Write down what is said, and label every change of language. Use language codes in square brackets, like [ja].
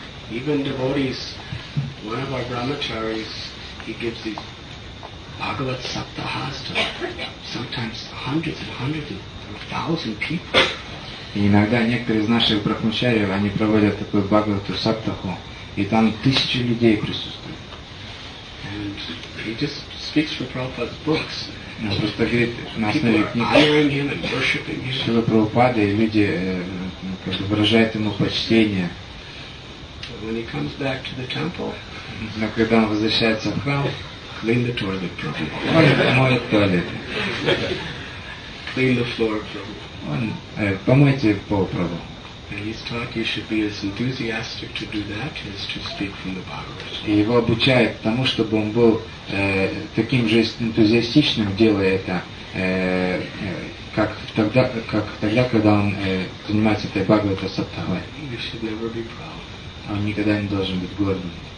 [en] Even devotees, one of our brahmacharis, he gives these Bhagavat Saptahas to sometimes hundreds and hundreds of thousands of people. [ru] И иногда некоторые из наших брахмачариев, они проводят такую Бхагавату Саптаху, и там тысячи людей присутствуют. [en] And he just speaks from Prabhupada's books. [ru] Он просто говорит на основе книг. [en] People are honoring him and worshiping him. [ru] Шрила Прабхупада, и люди как бы выражают ему почтение. [en] When he comes back to the temple, [ru] но когда он возвращается в храм, [en] clean the toilet, Prabhu. [ru] Моет туалет. [en] Clean the floor, Prabhu. [ru] Помойте пол, Прабху. [en] And he's taught you should be as enthusiastic to do that as to speak from the Bhagavad. [ru] И его обучают тому, чтобы он был таким же энтузиастичным, делая это, как тогда, когда он занимается этой Бхагавата Саптахой. [en] You should never be proud. [ru] Он никогда не должен быть гордым.